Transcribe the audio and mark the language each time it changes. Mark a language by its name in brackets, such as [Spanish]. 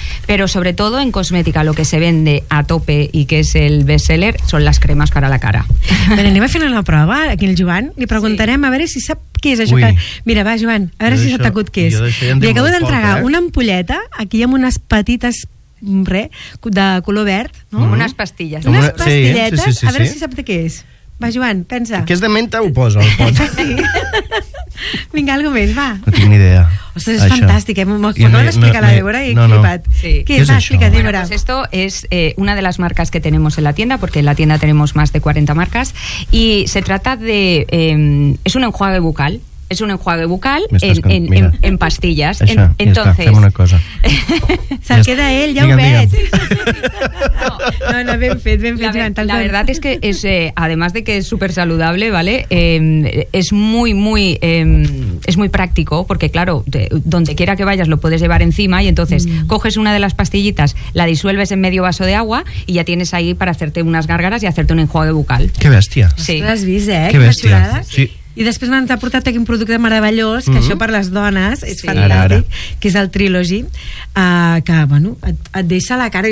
[Spanish] Pero sobre todo en cosmética lo que se vende a tope y que es el bestseller son las cremas para la cara. [Catalan] Bueno, anem a fer una prova aquí al Joan. Li preguntarem sí. A veure si sap què és això. Que... Mira, va, Joan, a veure jo si s'ha tacut què és. Li acabo d'entregar una ampolleta, aquí amb unes petites... de color verd. No? Mm-hmm. Unes pastilles. Unes pastilletes, sí. A veure si sap de què és. Va, Joan, pensa. Que és de menta, ho posa. Sí. Vinga, alguna més, va. No tinc ni idea. Ostres, és fantàstic, eh? M'ho acabo d'explicar a la Débora i he flipat. Sí. Què és va, explica, Débora? [Spanish] Bueno, pues esto es una de las marcas que tenemos en la tienda, porque en la tienda tenemos más de 40 marcas, y se trata de... es un enjuague bucal. Es un enjuague bucal en pastillas. [Catalan] Això, [Spanish] entonces, [Catalan] fem una cosa. Se'l queda ell, ja ho veig. No, ben fet. [Spanish] La verdad es que es, además de que es súper saludable, ¿vale? Es muy, muy, es muy práctico, porque claro, donde quiera que vayas lo puedes llevar encima y entonces coges una de las pastillitas, la disuelves en medio vaso de agua y ya tienes ahí para hacerte unas gárgaras y hacerte un enjuague bucal. Qué bestia. Sí. [Catalan] Has vist, eh? [Spanish] Qué bestia. Sí. [Catalan] I després m'han portat aquí un producte meravellós, que això per les dones és fantàstic, que és el Trilogy, que, bueno, et deixa la cara.